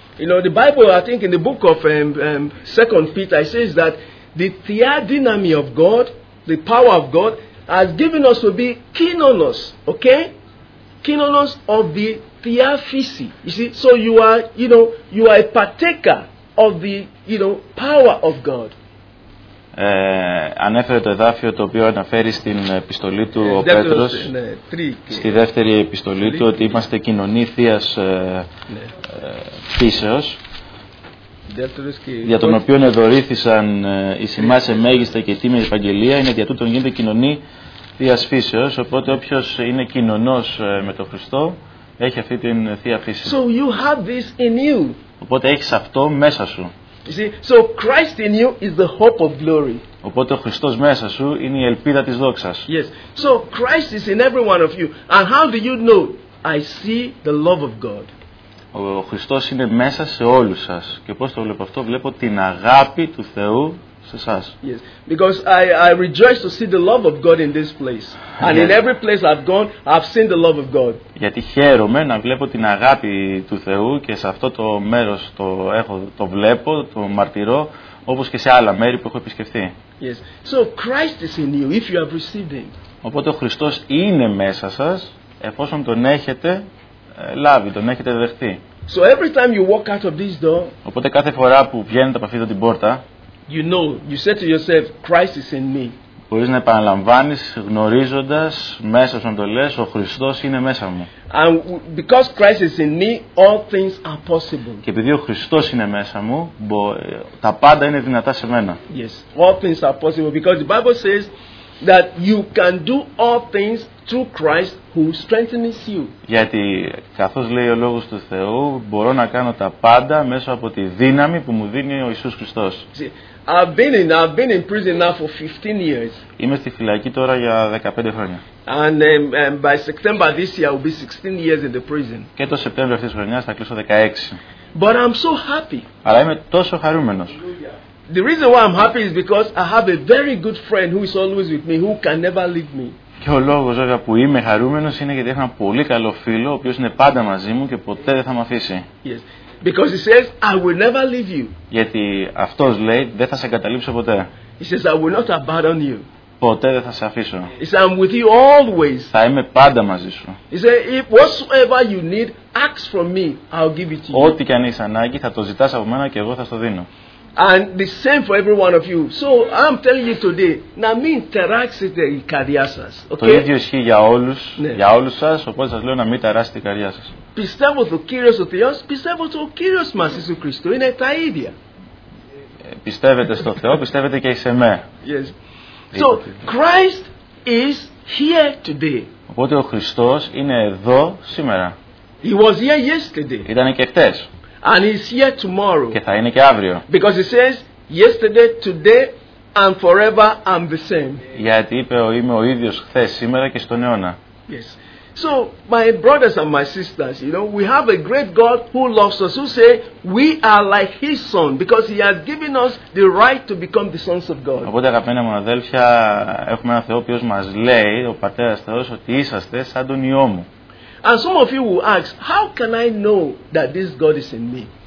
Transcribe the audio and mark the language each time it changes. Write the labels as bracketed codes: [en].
[en] You know, the Bible, I think in the book of 2 Peter, it says that the theodynamy of God, the power of God, has given us to be kinonos, okay? Kinonos of the theophysi. You see, so you are, you know, you are a partaker of the, you know, power of God. [el] Ανέφερε το εδάφιο το οποίο αναφέρει στην επιστολή του ο Πέτρος, στη δεύτερη επιστολή του, ότι είμαστε κοινωνία θείας φύσεως, για τον οποίο εδωρήθησαν οι σημάσε μέγιστα και τίμια επαγγελία, είναι δια τούτον γίνεται κοινωνία θείας φύσεως. Οπότε όποιος είναι κοινωνός με τον Χριστό έχει αυτή την θεία φύση. [en] So you have this in you. [el] Οπότε έχεις αυτό μέσα σου. [en] You see, so Christ in you is the hope of glory. [el] Οπότε ο Χριστός μέσα σου είναι η ελπίδα της δόξας. [en] Yes. So Christ is in every one of you. And how do you know? I see the love of God. [el] Ο Χριστός είναι μέσα σε όλους σας. Και πώς το βλέπω αυτό; Βλέπω την αγάπη του Θεού σε εσάς. [en] Yes. Because I rejoice to see the love of God in this place. And in every place I've gone, I've seen the love of God. [el] Γιατί χαίρομαι να βλέπω την αγάπη του Θεού και σε αυτό το μέρος το βλέπω, το μαρτυρώ, όπως και σε άλλα μέρη που έχω επισκεφθεί. [en] Yes. So Christ is in you if you have received him. [el] Οπότε ο Χριστός είναι μέσα σας εφόσον τον έχετε λάβει, τον έχετε δεχτεί. [en] So every time you walk out of this door, [el] οπότε κάθε φορά που βγαίνετε από αυτή την πόρτα, [en] you know, you say to yourself, Christ is in me. [el] Μπορείς να επαναλαμβάνεις, γνωρίζοντας μέσα σου, να το λες, ο Χριστός είναι μέσα μου. [en] And because Christ is in me, all things are possible. [el] Και επειδή ο Χριστός είναι μέσα μου, τα πάντα είναι δυνατά σε μένα. [en] Yes, all things are possible because the Bible says that you can do all things through Christ who strengthens you. [el] Γιατί καθώς λέει ο λόγος του Θεού, μπορώ να κάνω τα πάντα μέσω από τη δύναμη που μου δίνει ο Ιησούς Χριστός. [en] I've been in prison now for 15 years. [el] Είμαι στη φυλακή τώρα για 15 χρόνια. [en] And by September this year I'll be 16 years in the prison. [el] Και το Σεπτέμβριο αυτής της χρονιάς θα κλείσω 16. [en] But I'm so happy. [el] Αλλά είμαι τόσο χαρούμενος. [en] The reason why I'm happy is because I have a very good friend who is always with me, who can never leave me. [el] Και ο λόγος βέβαια που είμαι χαρούμενος είναι γιατί έχω ένα πολύ καλό φίλο, ο οποίος είναι πάντα μαζί μου και ποτέ δεν θα με αφήσει. [en] Yes. Because he says, I will never leave you. [el] Γιατί αυτός λέει, δεν θα σε εγκαταλείψω ποτέ. [en] He says, I will not abandon you. [el] Ποτέ δεν θα σε αφήσω. [en] He says, I'm with you always. [el] Θα είμαι πάντα μαζί σου. [en] He says, if whatsoever you need, ask from me, I'll give it to you. [el] Ό,τι και αν έχεις ανάγκη, θα το ζητάς από μένα και εγώ θα στο δίνω. [en] And the same for every one of you. So I'm telling you today, [el] να μην ταράξετε η καρδιά σας. Το ίδιο ισχύει για όλους, για όλους σας. Οπότε σας λέω να μην ταράσετε η καρδιά σας. Πιστεύω το Κύριος ο Θεός, πιστεύω το Κύριος μας Ιησού Χριστού. Είναι τα ίδια. Πιστεύετε στο Θεό, πιστεύετε και σε μέ. [en] Yes. So Christ is here today. [el] Οπότε ο Χριστός είναι εδώ σήμερα. [en] He was here yesterday. [el] Ήταν και χτες. [en] And he's here tomorrow. [el] Και θα είναι και αύριο. [en] Because he says, yesterday, today, and forever, I'm the same. [el] Γιατί είπε, είμαι ο ίδιος χθες, σήμερα και στον αιώνα. [en] Yes. So, my brothers and my sisters, you know, we have a great God who loves us, who say, we are like his son, because he has given us the right to become the sons of God. [el] Οπότε, αγαπημένα μου αδέλφια, έχουμε ένα Θεό που μας λέει, ο Πατέρας Θεός, ότι είσαστε σαν τον Υιό μου. [en] And some of you will ask, how can I know that this God is in me?